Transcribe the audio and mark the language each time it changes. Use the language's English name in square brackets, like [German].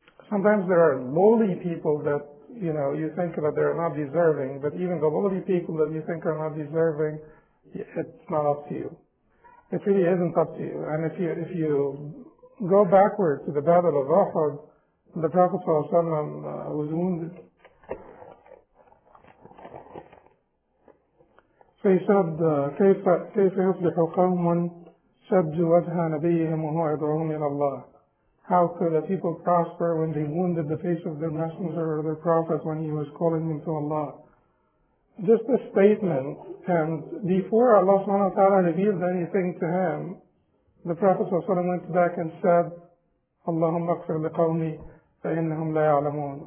[English] Sometimes there are lowly people that, you know, you think that they're not deserving, but even the lowly people that you think are not deserving, it's not up to you. It really isn't up to you. And if you go backward to the Battle of Uhud, the Prophet was wounded. So he said, [Arabic] كيف يصلح قوم شد وجه نبيهم وهو يدعوهم إلى الله. [English] How could the people prosper when they wounded the face of their messenger or their prophet when he was calling them to Allah? Just a statement, and before Allah [Arabic] subhanahu wa ta'ala [English] revealed anything to him, the Prophet went back and said, [Arabic] Allahumma akfir liqawmi fa'innahum la ya'lamun.